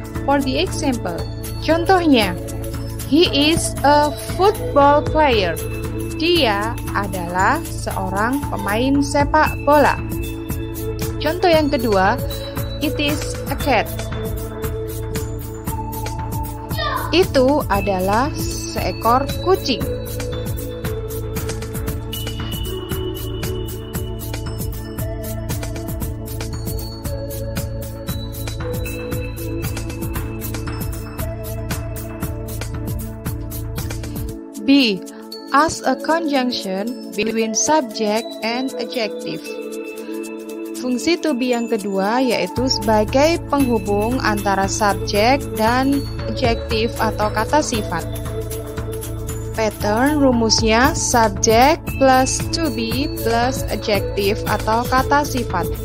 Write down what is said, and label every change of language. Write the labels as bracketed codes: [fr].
[en] For the example, [id] contohnya, [en] he is a football player. [id] Dia adalah seorang pemain sepak bola. Contoh yang kedua, [en] it is a cat. [id] Itu adalah seekor kucing. [en] B, as a conjunction between subject and adjective. [id] Fungsi to be yang kedua yaitu sebagai penghubung antara subject dan adjective atau kata sifat. Pattern rumusnya subject plus to be plus adjective atau kata sifat.